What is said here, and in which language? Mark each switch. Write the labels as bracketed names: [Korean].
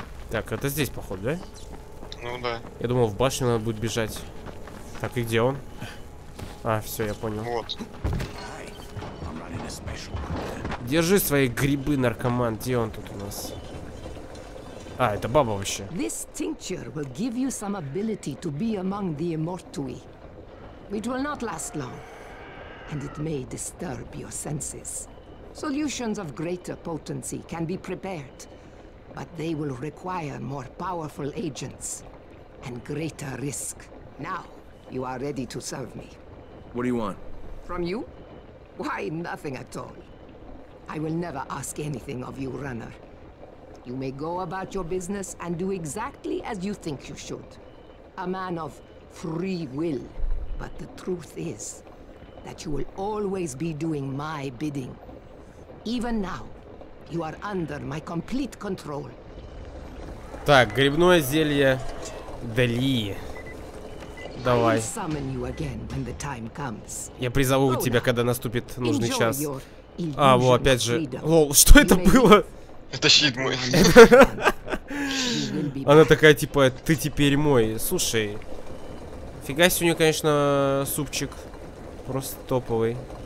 [Russian] Так, это здесь, походу, да? Ну да. Я думал, в башню надо будет бежать. Так, и где он? А, все, я понял. Вот. Держи свои грибы, наркоман. Где он тут у нас? А, это баба вообще. [English] This tincture will give you some ability to be among the immortui. It will not last long, and it may disturb your senses. Solutions of greater potency can be prepared, but they will require more powerful agents and greater risk. Now, you are ready to serve me. What do you want? From you? Why, nothing at all. I will never ask anything of you, runner. You may go about your business and do exactly as you think you should. A man of free will. But the truth is that you will always be doing my bidding. Even now, you are under my complete control. [Russian] Так, грибное зелье Дали. Давай. [English] I'll summon you again when the time comes. [Russian] Я призову тебя, когда наступит нужный час. А, во, опять же. Лол, что это было? Это щит мой. Она такая, типа, ты теперь мой. Слушай. Фига себе у нее, конечно, супчик. Просто топовый.